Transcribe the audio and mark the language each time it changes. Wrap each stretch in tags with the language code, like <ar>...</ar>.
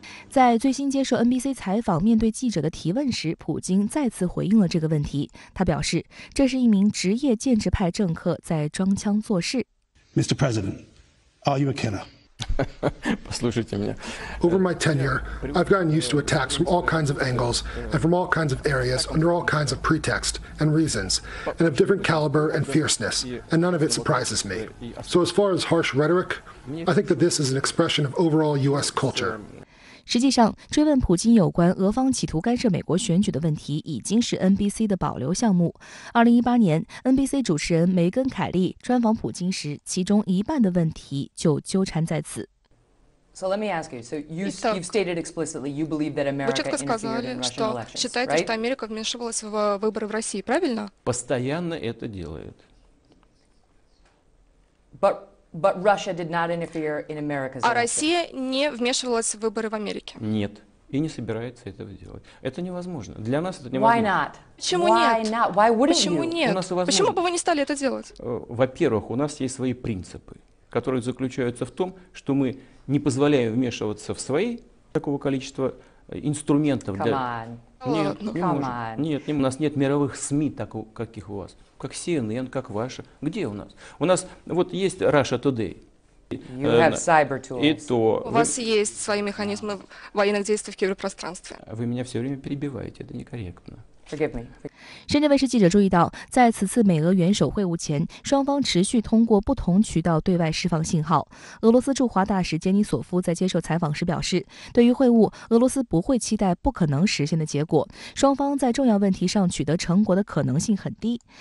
<zh>在最新接受 NBC 采访面对记者的提问时，普京再次回应了这个问题。他表示，这是一名职业建制派政客在装腔作势。</zh> <en>Mr. President, are you a killer?</en> <ru>Послушайте меня.</ru> <en>Over my tenure, I've gotten used to attacks from all kinds of angles and from all kinds of areas under all kinds of pretext and reasons and of different caliber and fierceness, and none of it surprises me. So as far as harsh rhetoric, I think that this is an expression of overall U.S. culture.</en> <zh>实际上，追问普京有关俄方企图干涉美国选举的问题已经是 NBC 的保留项目。 2018年 NBC 主持人梅根·凯利专访普京时，其中一半的问题就纠缠在此。</zh> <en>So let me ask you. So you've stated explicitly you believe that America interfered in Russian elections, right?</en> <ru>Вы четко сказали, что считаете, что Америка вмешивалась в выборы в России, правильно? Постоянно это делает.</ru> <en>But Russia did not interfere in America's election.</en> <ru>А Россия не вмешивалась в выборы в Америке? Нет. и не собирается этого делать. Это невозможно. Для нас это невозможно. Почему нет? Почему нет? Почему бы вы не стали это делать? Во-первых, у нас есть свои принципы, которые заключаются в том, что мы не позволяем вмешиваться в свои такого количества инструментов.</ru> <en>Come on.</en> <ru>Нет, не можем. Нет, у нас нет мировых СМИ, так, каких у вас. Как CNN, как ваша. Где у нас? У нас вот есть Russia Today.</ru> <en>You have cyber tools.</en> <ru>У вас есть свои механизмы военных действий в киберпространстве. Вы меня все время перебиваете, это некорректно.</ru> <en>Forgive me.</en> <zh>深圳卫视记者注意到，在此次美俄元首会晤前，双方持续通过不同渠道对外释放信号。俄罗斯驻华大使杰尼索夫在接受采访时表示，对于会晤，俄罗斯不会期待不可能实现的结果，双方在重要问题上取得成果的可能性很低。</zh>